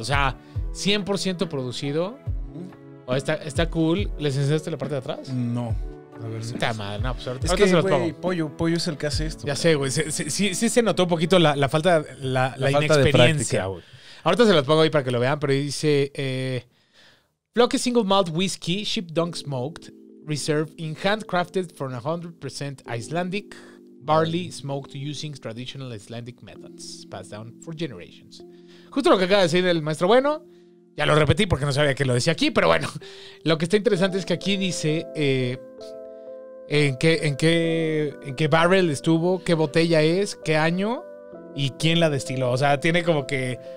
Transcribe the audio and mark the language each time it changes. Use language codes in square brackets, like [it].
[es] O sea, 100% producido. Oh, está cool. ¿Les enseñaste la parte de atrás? No. Está mal. No, pues ahorita es que, güey, Pollo es el que hace esto. Ya sé, güey. Sí se notó un poquito la falta, la falta inexperiencia, güey. Ahorita se los pongo ahí para que lo vean, pero dice... [en] Floki Single Malt Whiskey, Sheep Dung Smoked, Reserve in Handcrafted from 100% Icelandic Barley Smoked Using Traditional Icelandic Methods, Passed Down for Generations. [es] Justo lo que acaba de decir el maestro bueno, ya lo repetí porque no sabía que lo decía aquí, pero bueno, lo que está interesante es que aquí dice... ¿En qué barrel estuvo? ¿Qué botella es? ¿Qué año? ¿Y quién la destiló? O sea, tiene como que...